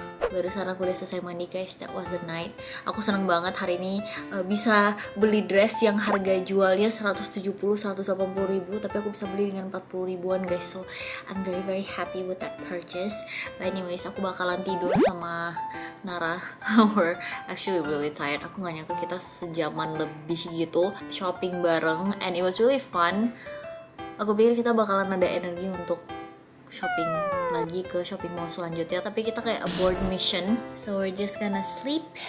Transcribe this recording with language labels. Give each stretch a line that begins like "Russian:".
Indonesian: Barusan aku udah selesai mandi guys,
English: that was the night.
Indonesian: Aku seneng banget hari ini bisa beli dress yang harga jualnya 170-180 ribu, tapi aku bisa beli dengan 40 ribuan guys.
English: So I'm very very happy with that purchase. But anyways,
Indonesian: aku bakalan tidur sama Nara.
English: We're actually really tired.
Indonesian: Aku gak nyangka kita sejaman lebih gitu shopping bareng,
English: and it was really fun.
Indonesian: Aku pikir kita bakalan ada energi untuk shopping lagi ke shopping mall selanjutnya, tapi kita kayak aboard mission,
English: so we're just gonna sleep.